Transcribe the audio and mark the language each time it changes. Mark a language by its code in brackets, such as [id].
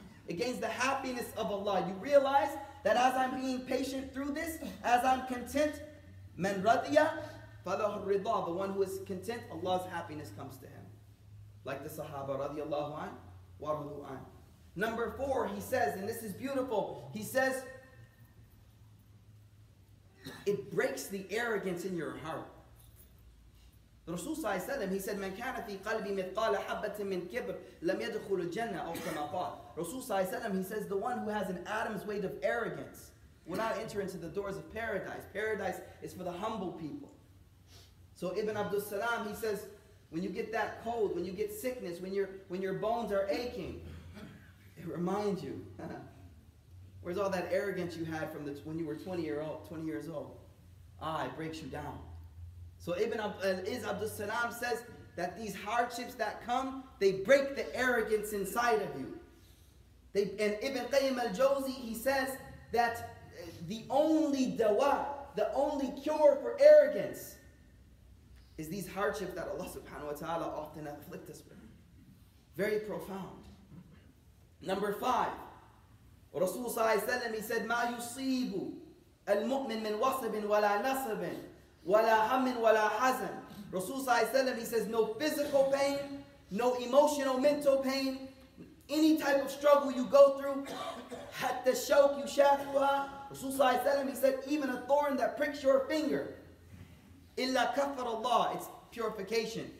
[en] It gains the happiness of Allah. You realize that as I'm being patient through this, as I'm content, [ar] man radiya, falahu ridha, [en] the one who is content, Allah's happiness comes to him. Like the sahaba radiyallahu an wa radu an. Number four, he says, and this is beautiful, he says, it breaks the arrogance in your heart. [ar] The Rasul Sallallahu Alaihi Wasallam, [en] he said, [ar] مَنْ كَانَ فِي قَلْبِ مِثْقَالَ حَبَّةٍ مِنْ كِبْرٍ لَمْ يَدْخُلُ الْجَنَّةِ أَوْ كَمَا قَالَ. [en] Rasul Sallallahu Alaihi Wasallam, he says, the one who has an atom's weight of arrogance will not enter into the doors of paradise. Paradise is for the humble people. So Ibn Abdus Salam, he says, when you get that cold, when you get sickness, when your bones are aching, it reminds you, where's all that arrogance you had when you were 20 years old? It breaks you down. So Ibn Iz Abdus Salam says that these hardships that come, they break the arrogance inside of you. And Ibn Qayyim al-Jawzi, he says that the only dawa, the only cure for arrogance is these hardships that Allah subhanahu wa ta'ala often afflict us with. Very profound. Number five, [ar] Rasulullah sallallahu alayhi wa sallam, [en] he said, [ar] مَا يُصِيبُ الْمُؤْمِنْ مِنْ وَصَبٍ وَلَا نَصَبٍ وَلَا هَمٍ وَلَا حَزَنٍ. [en] Rasul Sallallahu, he says, no physical pain, no emotional, mental pain, any type of struggle you go through, [ar] حَتَّ الشَّوْكُ يُشَافُهَا. [en] Rasul Sallallahu, he said, even a thorn that pricks your finger, [ar] إِلَّا كَفَرَ اللَّهُ, [en] it's purification.